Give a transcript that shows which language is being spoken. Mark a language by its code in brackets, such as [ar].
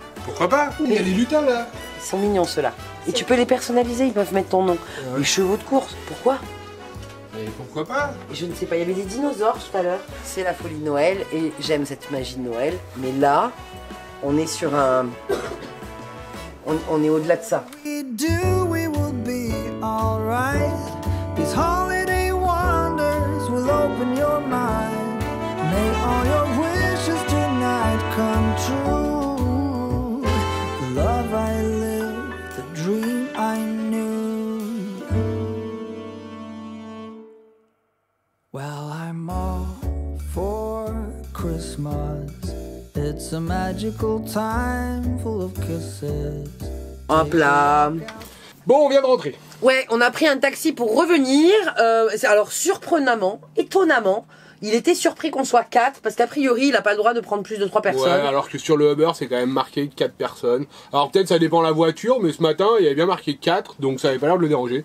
[fr] Pourquoi pas? Mais... il y a des lutins là. Ils sont mignons ceux-là. C'est... et tu peux les personnaliser, ils peuvent mettre ton nom. Les chevaux de course, pourquoi? Et pourquoi pas? Je ne sais pas, il y avait des dinosaures tout à l'heure. C'est la folie de Noël et j'aime cette magie de Noël. Mais là, on est sur un... on est au-delà de ça. [en] We do, we will be all right. These holiday wonders will open your mind. May all your wishes tonight come true. The love I live, the dream I knew. Well, I'm all for Christmas. It's a magical time full of kisses. [fr] Hop là. Bon, on vient de rentrer. Ouais, on a pris un taxi pour revenir. Alors, surprenamment, étonnamment, il était surpris qu'on soit 4, parce qu'a priori, il n'a pas le droit de prendre plus de 3 personnes. Ouais, alors que sur le Uber, c'est quand même marqué 4 personnes. Alors, peut-être ça dépend de la voiture, mais ce matin, il y avait bien marqué 4, donc ça n'avait pas l'air de le déranger.